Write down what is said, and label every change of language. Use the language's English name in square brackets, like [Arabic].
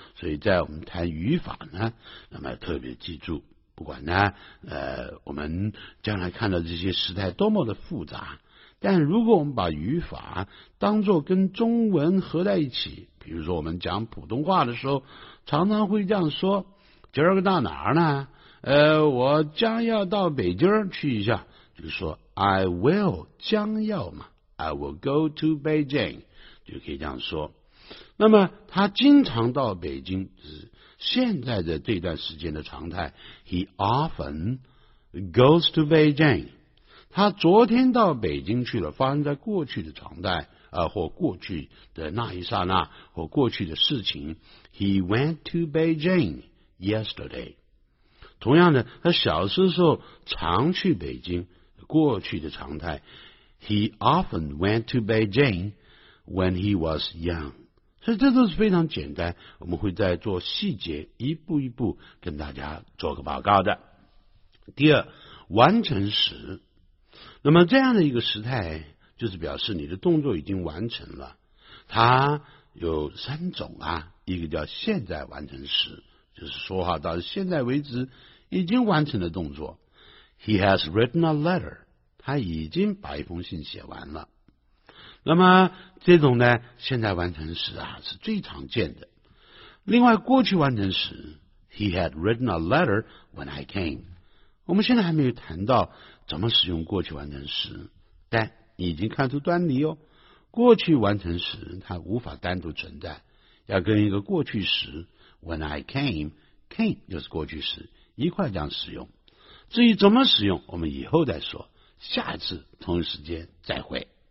[Chinese] 所以在我们谈语法呢，那么特别记住，不管呢我们将来看到这些时态多么的复杂，但如果我们把语法当作跟中文合在一起，比如说我们讲普通话的时候常常会这样说，今儿个到哪儿呢，我将要到北京去一下，就说 [English] I will [Chinese] 将要嘛 ， [English] I will go to Beijing， [Chinese] 就可以这样说。那么他经常到北京，就是现在的这段时间的常态。 [English] He often goes to Beijing。 [Chinese] 他昨天到北京去了，发生在过去的常态啊、或过去的那一刹那或过去的事情。 [English] He went to Beijing yesterday。 [Chinese] 同样的，他小时候常去北京。过去的常态 [English] He often went to Beijing when he was young， [Chinese] 所以这都是非常简单，我们会在做细节一步一步跟大家做个报告的。第二，完成时，那么这样的一个时态就是表示你的动作已经完成了，它有三种啊，一个叫现在完成时，就是说话到现在为止已经完成的动作。 [English] He has written a letter， [Chinese] 他已经把一封信写完了。那么这种呢，现在完成时啊是最常见的。另外过去完成时 [English] ，He had written a letter when I came。 [Chinese] 我们现在还没有谈到怎么使用过去完成时，但你已经看出端倪哦。过去完成时它无法单独存在，要跟一个过去时 [English] when I came [Chinese] 就是过去时一块这样使用。至于怎么使用，我们以后再说，下次同一时间再会。